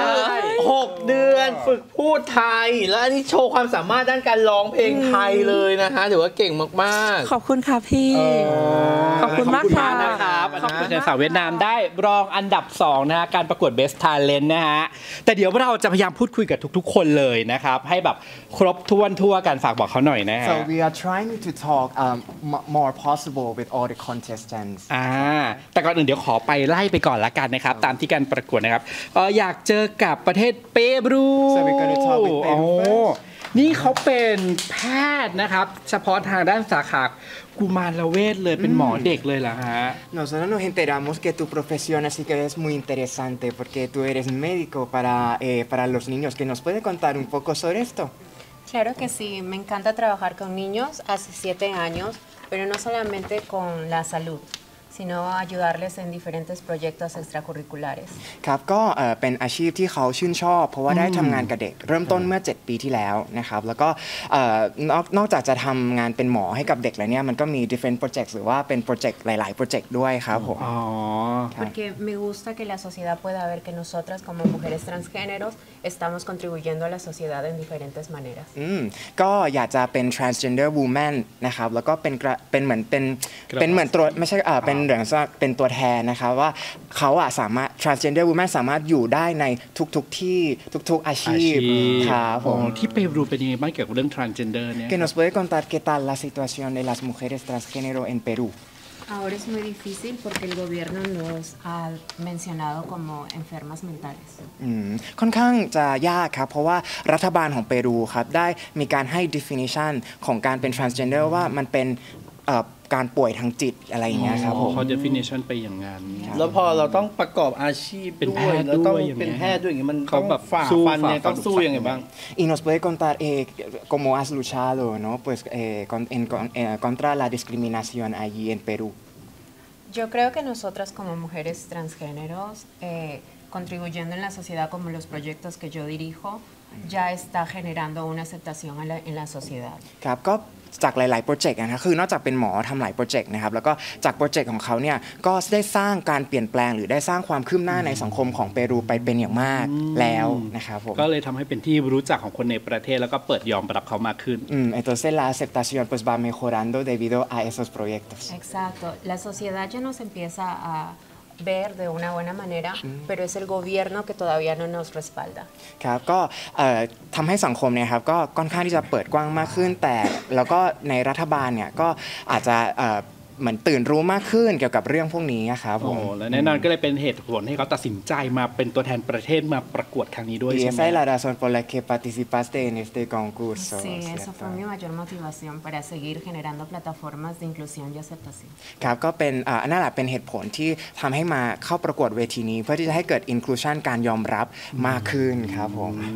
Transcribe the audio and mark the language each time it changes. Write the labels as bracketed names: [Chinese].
[Thai] 6เดือนฝึกพูดไทยและนี่โชว์ความสามารถด้านการร้องเพลงไทยเลยนะคะถือว่าเก่งมาก ๆขอบคุณค่ะพี่ขอบคุณมากค่ะ ขอบคุ ณนะครับขอบคุณสาวเวียดนามได้รองอันดับ2นะฮะการประกวด Best Talent นะฮะแต่เดี๋ยวเราจะพยายามพูดคุยกับทุกๆคนเลยนะครับให้แบบครบถ้วนทั่วกันฝากบอกเขาหน่อยนะฮะ [English] So we are trying to talk more possible with all the contestants [Thai] แต่ก่อนอื่นเดี๋ยวขอไปไล่ไปก่อนละกันนะครับตามที่การประกวดนะครับอยากเจอกับประเทศเปรู [English] So we're going to talk with Peru [Thai] นี่เขาเป็นแพทย์นะครับเฉพาะทางด้านสาขากูมาลาเวทเลยเป็นหมอเด็กเลยล่ะฮะ [Spanish] Nosotros nos enteramos que tu profesión así que es muy interesante porque tú eres médico para los niños que nos puede contar un poco sobre esto Claro que sí me encanta trabajar con niños hace 7 años pero no solamente con la salud sino ayudarles en diferentes proyectos extracurriculares [Thai] ครับก็เป็นอาชีพที่เขาชื่นชอบเพราะว่าได้ทำงานกับเด็กเริ่มต้นเมื่อ7ปีที่แล้วนะครับแล้วก็นอกจากจะทำงานเป็นหมอให้กับเด็กแล้วเนี่ยมันก็มี [English] different projects [Thai] หรือว่าเป็นโปรเจกต์หลายๆโปรเจกต์ด้วยครับผม อ๋อ [Spanish] Porque me gusta que la sociedad pueda ver que nosotras como mujeres transgéneros estamos contribuyendo a la sociedad en diferentes maneras [Thai] ก็อยากจะเป็น [English] transgender woman [Thai] นะครับแล้วก็เป็นเหมือนเป็นตัวไม่ใช่เป็นเป็นตัวแทนนะคะว่าเขาอะสามารถ transgender woman สามารถอยู่ได้ในทุกที่ทุกอาชีพครับ ที่เปรูเป็นยังไงบ้างเกี่ยวกับเรื่อง transgender เนี่ย [Spanish] Que nos puede contar qué tal la situación de las mujeres transgénero en Perú Ahora es muy difícil porque el gobierno nos ha mencionado como enfermas mentales [Thai] ค่อนข้างจะยากครับเพราะว่ารัฐบาลของเปรูครับได้มีการให้ definition ของการเป็น transgender ว่ามันเป็นการป่วยทางจิตอะไรเงี้ยครับผม พอ definition ไปอย่างนั้น แล้วพอเราต้องประกอบอาชีพเป็นแพทย์ด้วยเป็นแพทย์ด้วยอย่างเงี้ยมันต้องแบบฝ่าฟันเนี่ยต้องสู้ยังไงบ้าง อีนอสเพย์คอนตาเอ [Spanish] cómo has luchado no pues contra la discriminación allí en Perú yo creo que nosotras como mujeres transgéneros contribuyendo en la sociedad como los proyectos que yo dirijo ya está generando una aceptación en la sociedad [Thai] ครับก็จากหลายๆโปรเจกต์นะครับคือนอกจากเป็นหมอทำหลายโปรเจกต์นะครับแล้วก็จากโปรเจกต์ของเขาเนี่ยก็ได้สร้างการเปลี่ยนแปลงหรือได้สร้างความคืบหน้าในสังคมของเปรูไปเป็นอย่างมากแล้วนะครับผม ก็เลยทำให้เป็นที่รู้จักของคนในประเทศแล้วก็เปิดยอมรับเขามากขึ้น [Spanish] entonces la aceptación pues va mejorando debido a esos proyectos exacto la sociedad ya nos empieza aaver de una buena manera pero es el gobierno que todavía no nos respalda [Thai] ครับก็ทําให้สังคมเนี่ยครับก็ค่อนข้างที่จะเปิดกว้างมากขึ้นแต่แล้วก็ในรัฐบาลเนี่ยก็อาจจะเหมือนตื่นรู้มากขึ้นเกี่ยวกับเรื่องพวกนี้ครับผม โอ้และแน่นอนก็เลยเป็นเหตุผลให้เขาตัดสินใจมาเป็นตัวแทนประเทศมาประกวดครั้งนี้ด้วยใช่มั้ย [Spanish] Y esa es la razón por la que participaste en este concurso Sí, eso fue mi mayor motivación para seguir generando plataformas de inclusión y aceptación [Thai] ครับก็เป็นนั่นแหละเป็นเหตุผลที่ทําให้มาเข้าประกวดเวทีนี้เพื่อที่จะให้เกิด inclusion การยอมรับมากขึ้นครับผม